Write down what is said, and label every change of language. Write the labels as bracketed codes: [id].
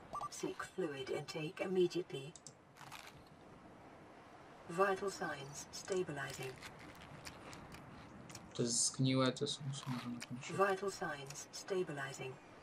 [en] Seek fluid intake immediately. Vital signs stabilizing. [pl] To jest zgniłe, to są smażone. [en] Vital signs stabilizing.